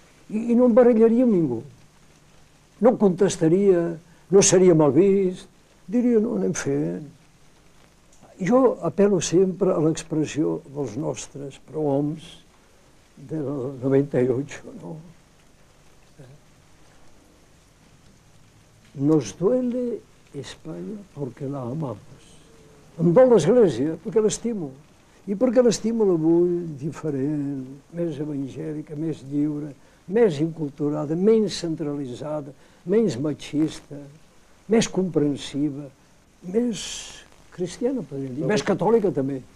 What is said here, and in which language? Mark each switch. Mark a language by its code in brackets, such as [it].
[ca] I no em barallaria amb ningú. No contestaria, no seria mal vist, diria, no, anem fent. Jo apel·lo sempre a l'expressió dels nostres prohoms del 98, no? [es] Nos duele España porque la amamos. [ca] Em dol l'Església perquè l'estimo. I perquè l'estimo la vull diferent, més evangèlica, més lliure, més inculturada, menys centralitzada, menys machista, més comprensiva, més cristiana, podríem dir, més catòlica també.